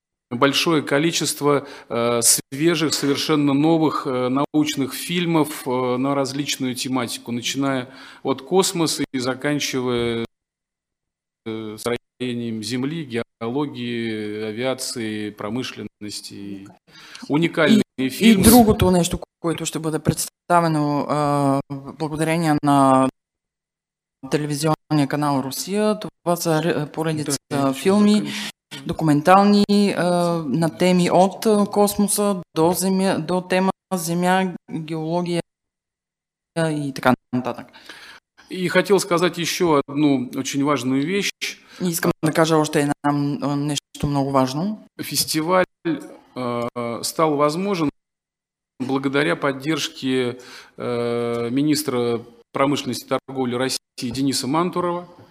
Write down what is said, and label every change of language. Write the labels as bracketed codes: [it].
[ru] большое количество свежих, совершенно новых научных фильмов на различную тематику, начиная от космоса и заканчивая строением Земли, геологии, авиации, промышленности. Уникальный. [bg] И другото нещо, което ще бъде представено благодарение на телевизионния канал Русия, това са поредица филми, документални на теми от космоса до земя, до тема земя, геология и така нататък. [ru] И хотел сказать еще одну очень важную вещь. [bg] Искам да кажа още една нещо много важно. [ru] Фестиваль [bg] стал възможен [ru] благодаря поддержке министра промышленности и торговли России Дениса Мантурова.